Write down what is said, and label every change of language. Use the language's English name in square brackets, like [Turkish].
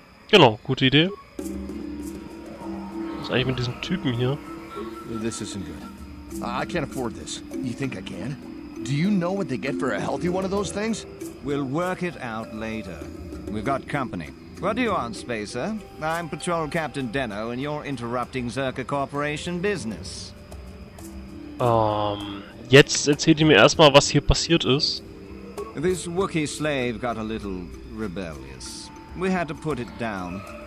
[German] Genau, gute Idee. Was ist eigentlich mit diesem Typen hier? [English] This isn't good. I can't afford this. You think I can? Do you know what they get for a healthy one of those things? We'll work it out later. We've got company. What do you want, Spacer? I'm Patrol Captain Denno, and you're interrupting Zerka Corporation business. [German] Jetzt erzählt ihr mir erstmal, was hier passiert ist. [English] This Wookiee slave got a little rebellious. We had to put it down.